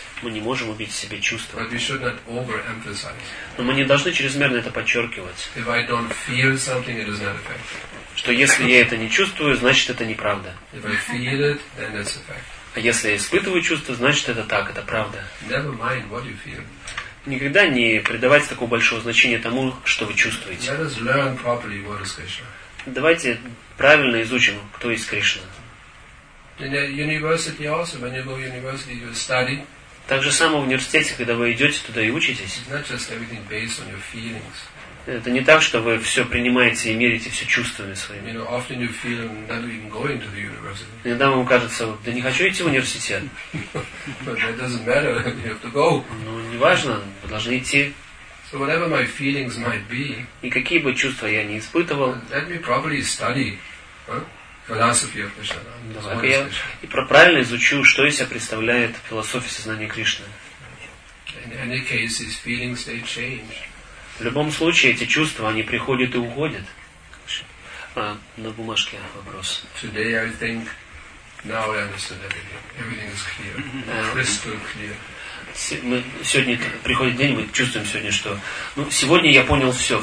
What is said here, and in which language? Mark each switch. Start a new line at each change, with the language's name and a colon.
Russian: Мы не можем убить в себе чувства.
English: But we should not overemphasize.
Russian: Но мы не должны чрезмерно это подчеркивать.
English: If I don't feel something, it is not effective.
Russian: Что если я это не чувствую, значит это неправда.
English: If I feel it, then it's effective.
Russian: А если я испытываю чувства, значит это так, это правда.
English: Never mind what you feel.
Russian: Никогда не придавайте такого большого значения тому, что вы чувствуете.
English: Let us learn properly what is Krishna.
Russian: Давайте правильно изучим, кто есть Кришна.
English: In the university also, when you go to university, you study.
Russian: Так же самое в университете, когда вы идете туда и учитесь.
English: It's not just everything based on your feelings.
Russian: Это не так, что вы все принимаете и мерите все чувствами своими.
English: You know, often you feel not even going to the university.
Russian: Иногда вам кажется, да не хочу идти в университет.
English: But that doesn't matter. You have to go.
Russian: Ну, не важно, вы должны идти.
English: So whatever my feelings might be,
Russian: и какие бы чувства я ни испытывал,
English: let me properly study, huh? Philosophy of Krishna.
Russian: Так я и правильно изучу, что из себя представляет философия сознания Кришны.
English: In any case, these feelings, they change.
Russian: В любом случае, эти чувства, они приходят и уходят. А, на бумажке вопрос.
English: Today I think, now I understand everything. Everything is clear. Crystal clear.
Russian: Сегодня приходит день, мы чувствуем сегодня, что... Ну, сегодня я понял все.